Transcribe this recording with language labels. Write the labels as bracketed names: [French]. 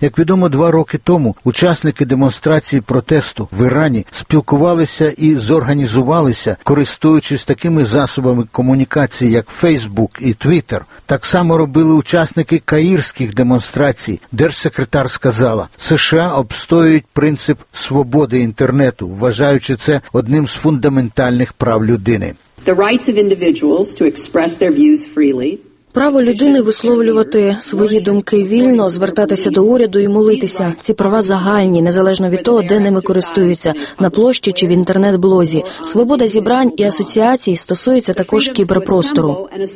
[Ukrainian] Як відомо, 2 роки тому учасники демонстрації протесту в Ірані спілкувалися і зорганізувалися, користуючись такими засобами комунікації, як Facebook і Twitter. Так само робили учасники каїрських демонстрацій. Держсекретар сказала, США обстоюють принцип свободи інтернету, вважаючи це одним з фундаментальних прав людини. [English] The rights of individuals to express their views freely. [Ukrainian] Право людини висловлювати свої думки вільно, звертатися до уряду і молитися. Ці права загальні, незалежно від того, де ними користуються – на площі чи в інтернет-блозі. Свобода зібрань і асоціацій стосується також кіберпростору.